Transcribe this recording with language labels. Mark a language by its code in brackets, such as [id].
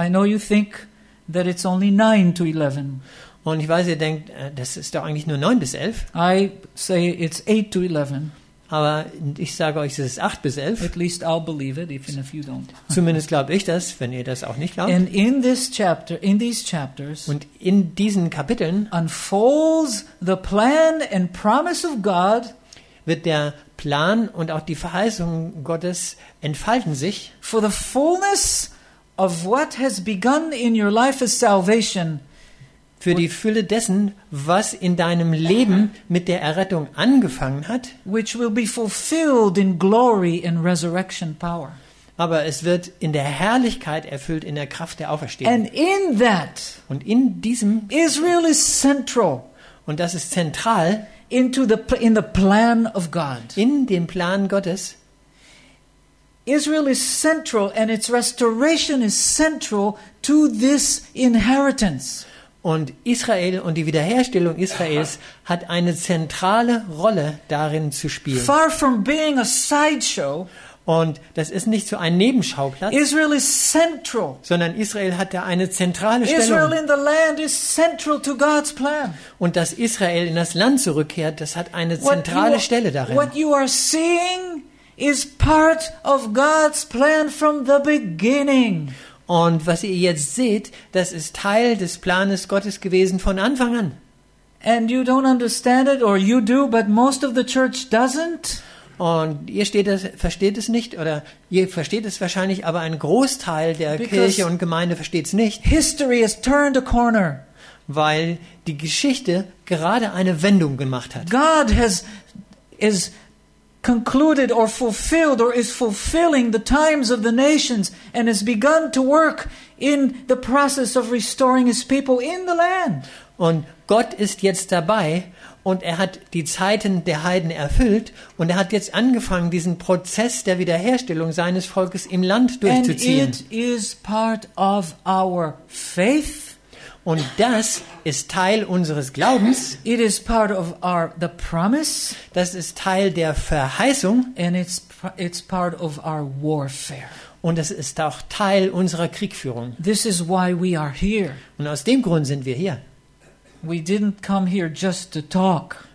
[en] I know you think that it's only 9 to 11. [de] Und ich weiß, ihr denkt, das ist doch eigentlich nur 9 bis 11. [en] I say it's 8 to 11. [de] Aber ich sage euch, es ist 8 bis 11. [en] At least I'll believe it, even if you don't. [de] Zumindest glaube ich das, wenn ihr das auch nicht glaubt. [en] And in this chapter, in these chapters, [de] und in diesen Kapiteln [en] unfolds the plan and promise of God. [de] Wird der Plan und auch die Verheißung Gottes entfalten sich. [en] For the fullness of what has begun in your life is salvation. [de] Für die Fülle dessen, was in deinem Leben mit der Errettung angefangen hat. [en] Which will be fulfilled in glory and resurrection power. [de] Aber es wird in der Herrlichkeit erfüllt, in der Kraft der Auferstehung. [en] And in that, [de] und in diesem [en] Israel is central. [de] Und das ist zentral. [en] In the plan of God. [de] In dem Plan Gottes. [en] Israel is central and its restoration is central to this inheritance. [de] Und Israel und die Wiederherstellung Israels hat eine zentrale Rolle darin zu spielen. [en] Far from being a sideshow. [de] Und das ist nicht so ein Nebenschauplatz. [en] Israel is central. [de] Sondern Israel hat da eine zentrale Stellung. [en] Israel in the land is central to God's plan. [de] Und dass Israel in das Land zurückkehrt, das hat eine zentrale Stelle darin. [en] What you are seeing is part of God's plan from the beginning. [de] Und was ihr jetzt seht, das ist Teil des Planes Gottes gewesen von Anfang an. [en] And you don't understand it, or you do, but most of the church doesn't. [de] Und ihr versteht es nicht, oder ihr versteht es wahrscheinlich, aber ein Großteil der Kirche und Gemeinde versteht es nicht. [en] History has turned a corner. [de] Weil die Geschichte gerade eine Wendung gemacht hat. [en] God has is concluded or fulfilled or is fulfilling the times of the nations and has begun to work in the process of restoring his people in the land. [de] Und Gott ist jetzt dabei und er hat die Zeiten der Heiden erfüllt und er hat jetzt angefangen, diesen Prozess der Wiederherstellung seines Volkes im Land durchzuziehen. [en] And it is part of our faith. [de] Und das ist Teil unseres Glaubens. [en] It is part of our the promise. [de] Das ist Teil der Verheißung. [en] And it's part of our warfare. [de] Und es ist auch Teil unserer Kriegführung. [en] This is why we are here. [de] Und aus dem Grund sind wir hier. [en] We didn't come here just to talk.